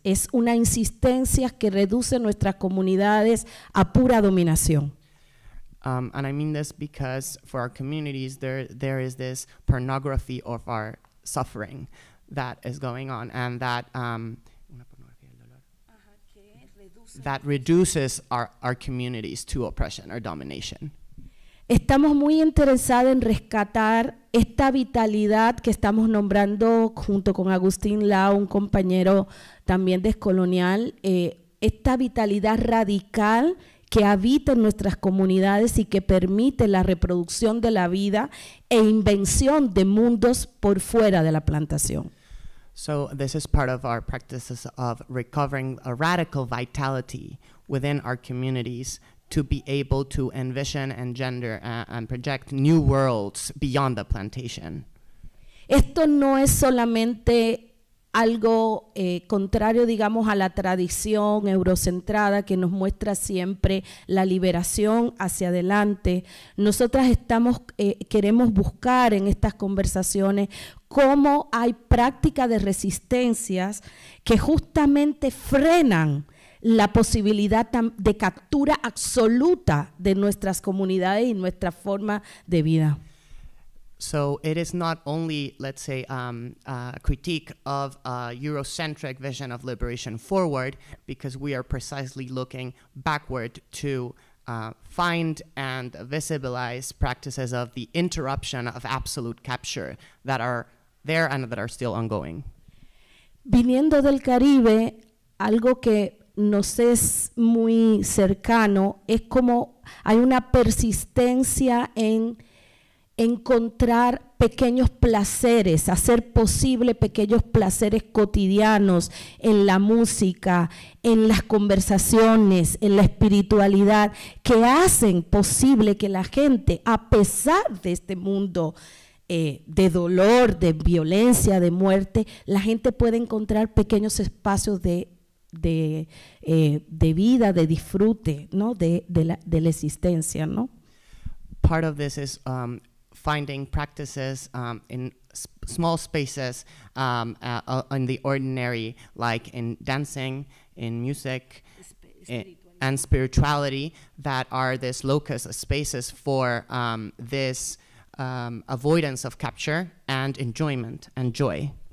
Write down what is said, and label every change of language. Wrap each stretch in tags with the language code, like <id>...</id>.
<es>Es una insistencia que reduce nuestras comunidades a pura dominación.</es> <en>And I mean this because for our communities there is this pornography of our suffering that is going on and that... that reduces our communities to oppression or domination.</en> <es>Estamos muy interesados en rescatar esta vitalidad que estamos nombrando junto con Agustín Lau, un compañero también descolonial, esta vitalidad radical que habita en nuestras comunidades y que permite la reproducción de la vida e invención de mundos por fuera de la plantación.</es> <en>So this is part of our practices of recovering a radical vitality within our communities to be able to envision and gender and project new worlds beyond the plantation.</en> <es>Esto no es solamente algo contrario, digamos, a la tradición eurocentrada que nos muestra siempre la liberación hacia adelante. Nosotras estamos queremos buscar en estas conversaciones cómo hay práctica de resistencias que justamente frenan la posibilidad de captura absoluta de nuestras comunidades y nuestra forma de vida.</es> <en>So it is not only, let's say, a critique of a Eurocentric vision of liberation forward, because we are precisely looking backward to find and visibilize practices of the interruption of absolute capture that are there and that are still ongoing.</en> <es>Viniendo del Caribe, algo que nos es muy cercano es como Hay una persistencia en encontrar pequeños placeres, hacer posible pequeños placeres cotidianos en la música, en las conversaciones, en la espiritualidad, que hacen posible que la gente, a pesar de este mundo de dolor, de violencia, de muerte, la gente puede encontrar pequeños espacios de vida, de disfrute, ¿no? De la existencia, ¿no?</es> <en>Part of this is finding practices in small spaces in the ordinary, like in dancing, in music, and spirituality, that are this locus of spaces for this avoidance of capture and enjoyment and joy.</en>